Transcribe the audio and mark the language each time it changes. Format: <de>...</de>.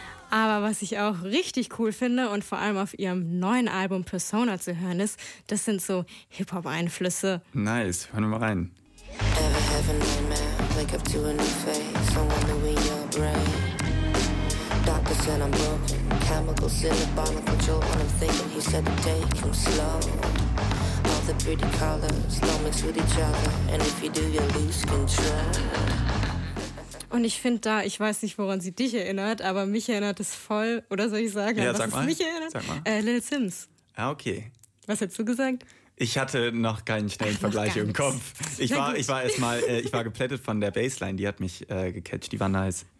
<de>Aber was ich auch richtig cool finde und vor allem auf ihrem neuen Album Persona zu hören ist, das sind so Hip-Hop-Einflüsse. Nice, hören wir mal rein.</de> <en>Ever have a nightmare, wake up to a new face, I'm wondering your brain. Doctor said I'm broken, chemicals in the bottom control, and I'm thinking he said to take him slow. All the pretty colors, don't mix with each other, and if you do, you'll lose control.</en> <de>Und ich finde da, ich weiß nicht, woran sie dich erinnert, aber mich erinnert es voll, oder soll ich sagen, ja, sag es mal. Mich erinnert? Sag mal. Little Sims. Ah, okay. Was hättest du gesagt? Ich hatte noch keinen schnellen Vergleich im Kopf. Ich war erstmal geplättet von der Baseline, die hat mich gecatcht, die war nice.</de>